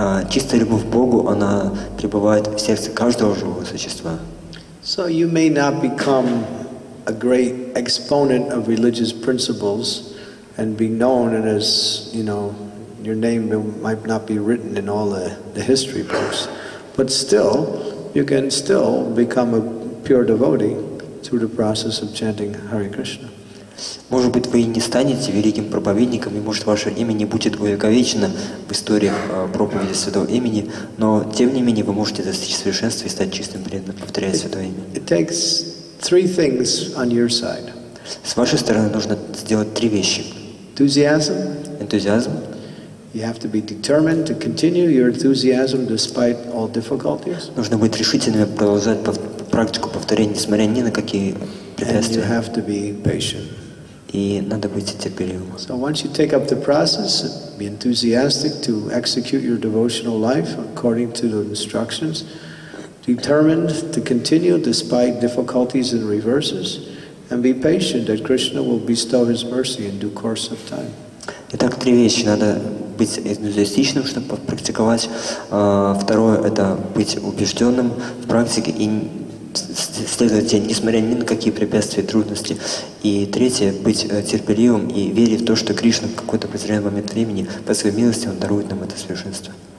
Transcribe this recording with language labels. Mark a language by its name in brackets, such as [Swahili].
[Russian] Чистая любовь к Богу, она пребывает в сердце каждого живого существа. [English] So you may not become a great exponent of religious principles and be known as, you know, your name might not be written in all the history books, but still, you can still become a pure devotee through the process of chanting Hare Krishna. [Russian] Может быть, вы и не станете великим проповедником, и может, ваше имя не будет увековечено в историях проповеди Святого Имени, но тем не менее вы можете достичь совершенства и стать чистым преданным, повторяя Святое Имя. [English] It takes three things on your side. [Russian] С вашей стороны нужно сделать три вещи. [English] Enthusiasm. [Russian] Энтузиазм. [English] You have to be determined to continue your enthusiasm despite all difficulties. [Russian] Нужно быть решительными продолжать практику повторения, несмотря ни на какие препятствия. [English] And you have to be patient. [Russian] И надо быть терпеливым. [English] So once you take up the process, be enthusiastic to execute your devotional life according to the instructions, determined to continue despite difficulties and reverses, and be patient that Krishna will bestow His mercy in due course of time. [Russian] Итак, три вещи. Надо быть энтузиастичным, чтобы практиковать. Второе – это быть убежденным в практике и следовать, несмотря ни на какие препятствия и трудности. И третье – быть терпеливым и верить в то, что Кришна в какой-то определенный момент времени по своей милости Он дарует нам это совершенство.